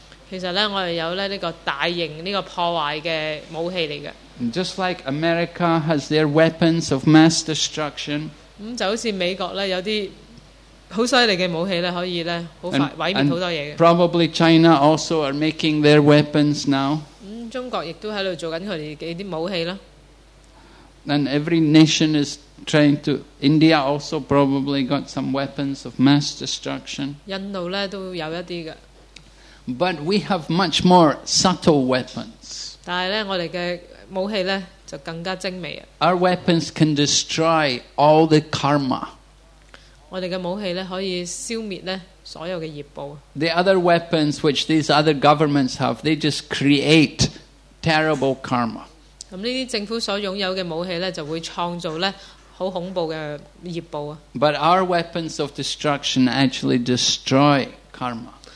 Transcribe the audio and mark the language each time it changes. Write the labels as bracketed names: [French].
[Cantonese] 其实咧，我哋有咧呢个大型呢个破坏嘅武器嚟嘅。 [English] Just like America has their weapons of mass destruction. [Cantonese] 咁就好似美国咧有啲好犀利嘅武器咧，可以咧好快毁灭好多嘢嘅。 [English] Probably China also are making their weapons now. [Cantonese] 咁中国亦都喺度做紧佢哋嘅啲武器啦。 [English] And every nation is. Trying to India also probably got some weapons of mass destruction. [Cantonese] 印度咧都有一啲嘅。 [English] But we have much more subtle weapons. [Cantonese] 但系咧，我哋嘅武器咧就更加精微啊。 [English] Our weapons can destroy all the karma. [Cantonese] 我哋嘅武器咧可以消灭咧所有嘅业报。 [English] The other weapons which these other governments have, they just create terrible karma. [Cantonese] 咁呢啲政府所擁有嘅武器咧就會創造咧。好恐怖嘅業報啊！ [English] But our weapons of destruction actually destroy karma.